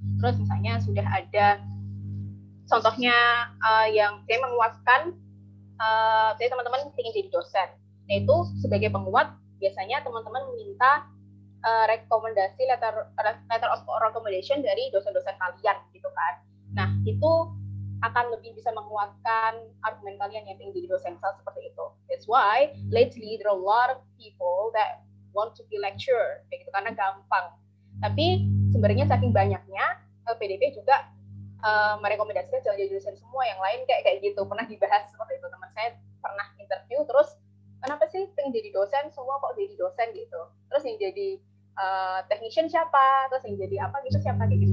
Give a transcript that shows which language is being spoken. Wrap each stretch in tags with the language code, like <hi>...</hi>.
<id>Terus misalnya sudah ada contohnya yang saya menguatkan, jadi teman-teman ingin jadi dosen, yaitu sebagai penguat biasanya teman-teman minta rekomendasi</id> <en>letter of recommendation</en> <id>dari dosen-dosen kalian gitu kan. Nah itu akan lebih bisa menguatkan argumen kalian yang ingin jadi dosen, misal seperti itu.</id> <en>That's why lately there are a lot of people that want to be lecturer,</en> <id>kayak gitu, karena gampang. Tapi sebenarnya saking banyaknya PDP juga merekomendasikan jangan jadi dosen semua, yang lain kayak gitu, pernah dibahas seperti itu. Teman saya pernah interview, terus kenapa sih pengen jadi dosen, semua kok jadi dosen gitu, terus yang jadi technician siapa, terus yang jadi apa gitu siapa, kayak gitu.</id>